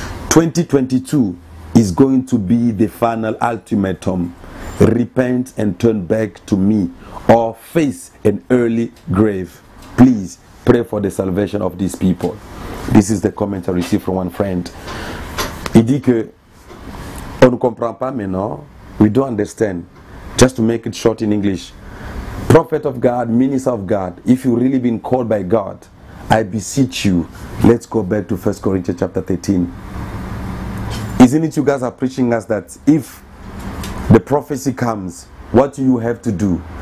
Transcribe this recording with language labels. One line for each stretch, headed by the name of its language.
English: 2022 is going to be the final ultimatum. Repent and turn back to me, or face an early grave. Please pray for the salvation of these people. This is the comment I received from one friend.
French: Il dit que on ne comprend pas maintenant.
English: We don't understand. Just to make it short in English, prophet of God, minister of God, if you've really been called by God, I beseech you, let's go back to 1 Corinthians chapter 13. Isn't it you guys are preaching us that if the prophecy comes, what you have to do?